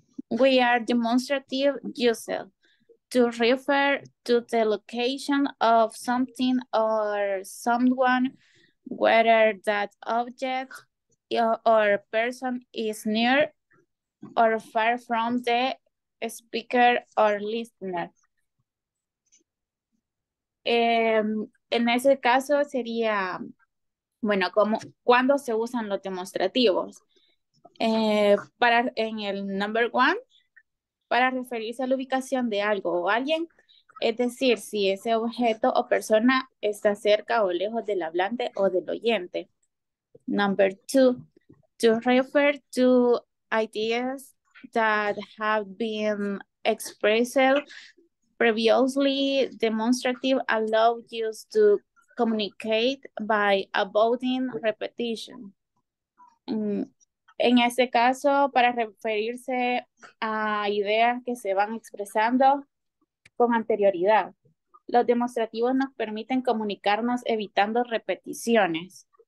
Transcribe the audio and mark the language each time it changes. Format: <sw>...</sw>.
<en>We are demonstrative uses to refer to the location of something or someone, whether that object or person is near or far from the speaker or listener.</en> <es>En ese caso sería, bueno, como cuando se usan los demostrativos. Para en el</es> <en>number one,</en> <es>para referirse a la ubicación de algo o alguien, es decir, si ese objeto o persona está cerca o lejos del hablante o del oyente.</es> <en>Number two, to refer to ideas that have been expressed previously, demonstrative allow you to communicate by avoiding repetition.</en> <es>En este caso, para referirse a ideas que se van expresando con anterioridad, los demostrativos nos permiten comunicarnos evitando repeticiones.</es>